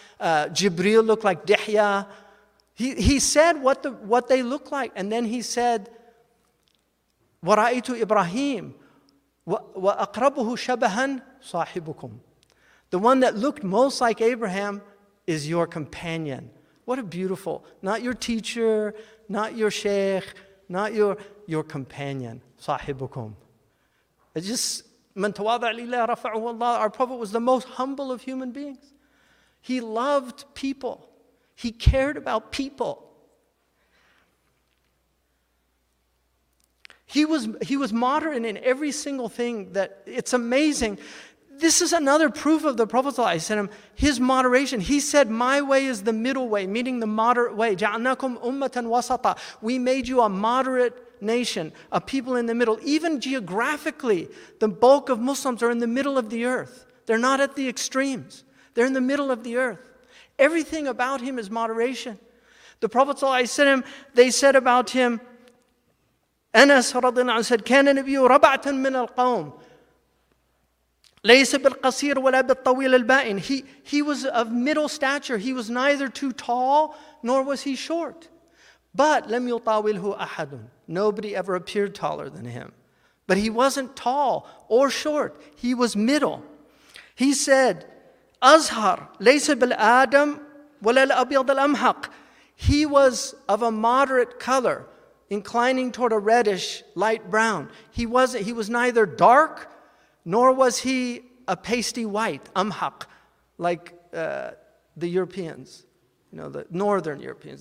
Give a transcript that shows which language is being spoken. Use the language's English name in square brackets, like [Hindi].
[English] Jibril looked like Dihya. He said what they look like, and then he said, [Arabic] "Waraitu Ibrahim, wa akrabuhu shabahan sahibukum." [English] The one that looked most like Abraham is your companion. What a beautiful, not your teacher, not your sheikh, not your companion, sahibukum. It's just, [Arabic] من تواضع لله رفعه الله. [English] Our Prophet was the most humble of human beings. He loved people. He cared about people. He was moderate in every single thing. That it's amazing. This is another proof of the Prophet ﷺ, his moderation. He said, my way is the middle way, meaning the moderate way. [Arabic] جَعَلْنَاكُمْ أُمَّةً وَسَطًا. [English] We made you a moderate nation, a people in the middle. Even geographically, the bulk of Muslims are in the middle of the earth. They're not at the extremes. They're in the middle of the earth. Everything about him is moderation. The Prophet ﷺ, they said about him, Anas radiallahu anhu said, [Arabic] كَانَ نَبِيُّ رَبَعْتًا مِنَ الْقَوْمِ. لَيْسَ بِالْقَصِيرِ وَلَا بِالطَّوِيلِ الْبَائِنِ. [English] He was of middle stature. He was neither too tall, nor was he short. But [Arabic] لَمْ يُطَاوِلْهُ أَحَدٌ. [English] Nobody ever appeared taller than him. But he wasn't tall or short. He was middle. He said, [Arabic] أَزْهَرْ لَيْسَ بِالْآدَمِ وَلَا الْأَبْيَضِ الْأَمْحَقِ. [English] He was of a moderate color, inclining toward a reddish, light brown. He was neither dark, nor was he a pasty white, amhaq, like the Europeans, you know, the northern Europeans.